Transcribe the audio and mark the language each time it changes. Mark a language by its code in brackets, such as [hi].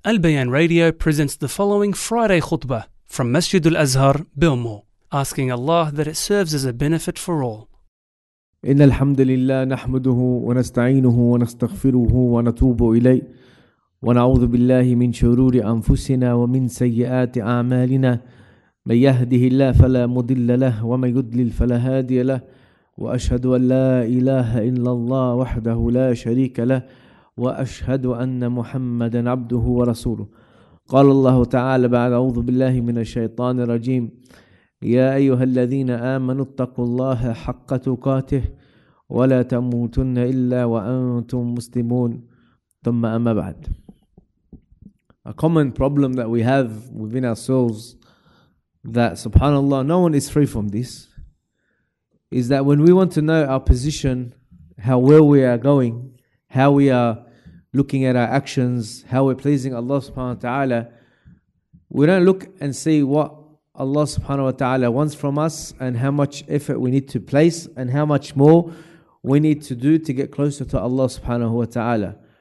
[en] Al-Bayan Radio presents the following Friday khutbah from Masjid al-Azhar, Bilmo, asking Allah that it serves as a benefit for all. [ar] إن الحمد لله نحمده ونستعينه ونستغفره ونتوب إليه ونعوذ بالله من شرور أنفسنا ومن سيئات أعمالنا من يهده الله فلا مضل له ومن يضلل فلا هادي له وأشهد أن لا إله إلا الله وحده لا شريك له وأشهد أن محمدا عبده ورسوله قال الله تعالى بعد أعوذ بالله من الشيطان الرجيم يا أيها الذين آمنوا اتقوا الله حق تقاته ولا تموتن إلا وأنتم مسلمون ثم أما بعد. [en] A common problem that we have within ourselves, that subhanAllah, no one is free from this, is that when we want to know our position, how well we are going, how we are looking at our actions, how we're pleasing Allah subhanahu wa ta'ala, we don't look and see what Allah subhanahu wa ta'ala wants from us and how much effort we need to place and how much more we need to do to get closer to Allah subhanahu wa ta'ala.